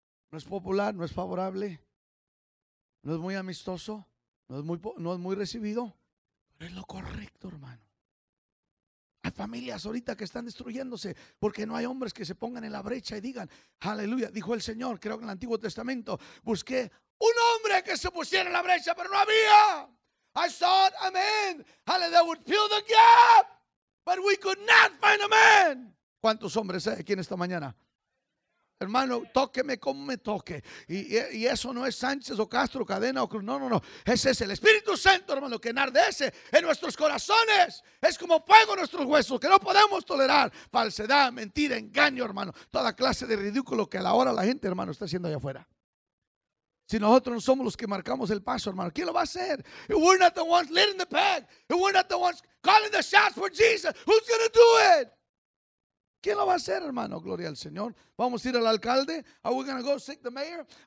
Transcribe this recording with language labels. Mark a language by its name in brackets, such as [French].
[Spanish] No es popular, no es favorable, no es muy amistoso, no es muy recibido, pero es lo correcto, hermano. Hay familias ahorita que están destruyéndose porque no hay hombres que se pongan en la brecha y digan, aleluya, dijo el Señor, creo que en el Antiguo Testamento, busqué un hombre que se pusiera en la brecha, pero no había. [English] I sought a man, hallelujah, would fill the gap, but we could not find a man. [Spanish] ¿Cuántos hombres hay aquí en esta mañana? Hermano, tóqueme como me toque. Y eso no es Sánchez o Castro, Cadena o Cruz. No, no, no. Ese es el Espíritu Santo, hermano, que enardece en nuestros corazones. Es como fuego en nuestros huesos, que no podemos tolerar falsedad, mentira, engaño, hermano. Toda clase de ridículo que a la hora la gente, hermano, está haciendo allá afuera. Si nosotros no somos los que marcamos el paso, hermano, ¿quién lo va a hacer? [English] If we're not the ones leading the pack. If we're not the ones calling the shots for Jesus. Who's going to do it? [Spanish] ¿Quién lo va a hacer, hermano? Gloria al Señor. ¿Vamos a ir al alcalde? [English] Are we going to go seek the mayor?